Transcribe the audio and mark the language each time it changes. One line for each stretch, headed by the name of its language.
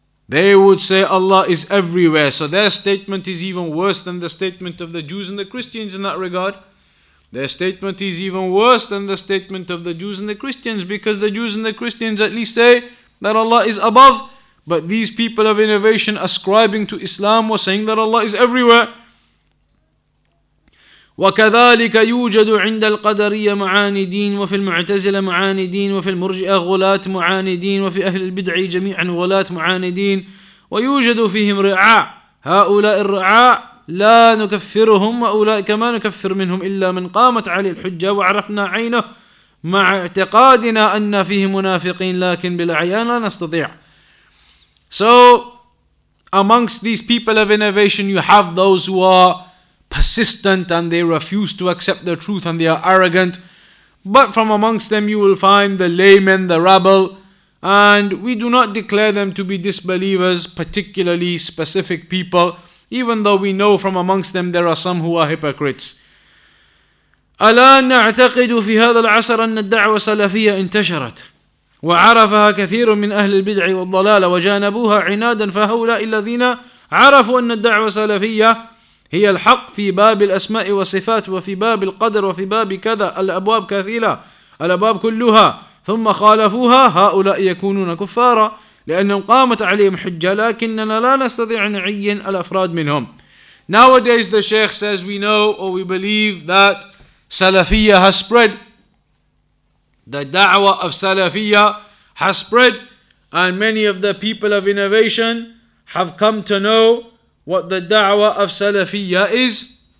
English: They would say Allah is everywhere. So their statement is even worse than the statement of the Jews and the Christians in that regard. Their statement is even worse than the statement of the Jews and the Christians, because the Jews and the Christians at least say that Allah is above. But these people of innovation ascribing to Islam were saying that Allah is everywhere.
Arabic: وكذلك يوجد عند القدرية معاني دين وفي المعتزلة معاني دين وفي المرجئة غلاة معاني دين وفي أهل البدع جميعا غلاة معاني دين ويوجد فيهم رعاع هؤلاء الرعاع لا نكفرهم وأولئك ما نكفر منهم إلا من قامت عليه الحجة وعرفنا عينه مع اعتقادنا أن فيه منافقين لكن بالعيان لا نستطيع.
English: So amongst these people of innovation you have those who are persistent and they refuse to accept the truth and they are arrogant. But from amongst them you will find the laymen, the rabble. And we do not declare them to be disbelievers, particularly specific people, even though we know from amongst them there are some who are hypocrites.
Arabic: أَلَّا نَعْتَقِدُ فِي هَذَا الْعَصَرَ أَنَّ الدَّعْوَ السَّلَفِيَّةَ انتشرت وَعَرَفَهَا كَثِيرٌ مِّنْ أَهْلِ الْبِدْعِ وَالضَّلَالَ وَجَانَبُوهَا عِنَادًا فَهَؤُلَاءِ الَّذِينَ عَرَفُوا أَنَّ الدَّعْوَ السَّلَفِيَّةَ هي الحق في باب الأسماء والصفات وفي باب القدر وفي باب كذا الأبواب كثيرة الأبواب كلها ثم خالفوها هؤلاء يكونون كفارا لأنهم قامت عليهم حجة لكننا لا نستطيع نعين الأفراد منهم.
English: Nowadays the Sheikh says we know or we believe that Salafiyya has spread. The da'wah of Salafiyya has spread and many of the people of innovation have come to know what the da'wah of Salafiyya is.